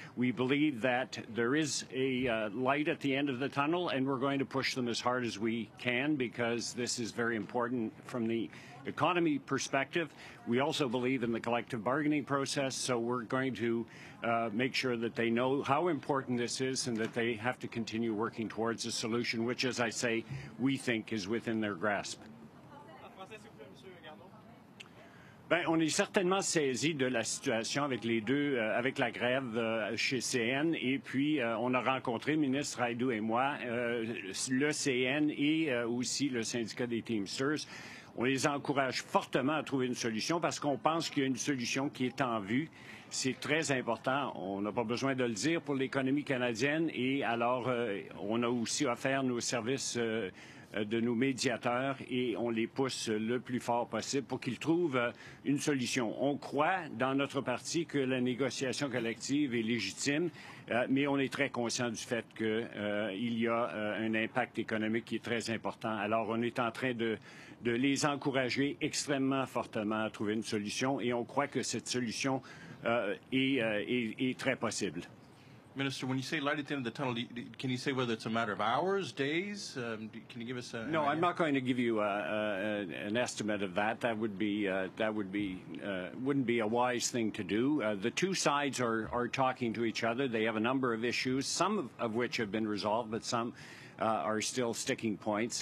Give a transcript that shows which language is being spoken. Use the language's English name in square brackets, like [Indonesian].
[English] We believe that there is a light at the end of the tunnel, and we're going to push them as hard as we can because this is very important from the economy perspective. We also believe in the collective bargaining process, so we're going to make sure that they know how important this is and that they have to continue working towards a solution, which, as I say, we think is within their grasp. [French] Bien, on est certainement saisi de la situation avec les deux, avec la grève chez CN. Et puis, on a rencontré, ministre Hajdu et moi, le CN et aussi le syndicat des Teamsters. On les encourage fortement à trouver une solution parce qu'on pense qu'il y a une solution qui est en vue. C'est très important. On n'a pas besoin de le dire pour l'économie canadienne. Et alors, on a aussi offert nos services de nos médiateurs et on les pousse le plus fort possible pour qu'ils trouvent une solution. On croit dans notre parti que la négociation collective est légitime, mais on est très conscient du fait qu'il y a un impact économique qui est très important. Alors, on est en train de les encourager extrêmement fortement à trouver une solution et on croit que cette solution est très possible. [English] Minister, when you say light at the end of the tunnel, can you say whether it's a matter of hours, days? Can you give us a... No, I'm not going to give you an estimate of that. Wouldn't be a wise thing to do. The two sides are talking to each other. They have a number of issues, some of which have been resolved, but some are still sticking points.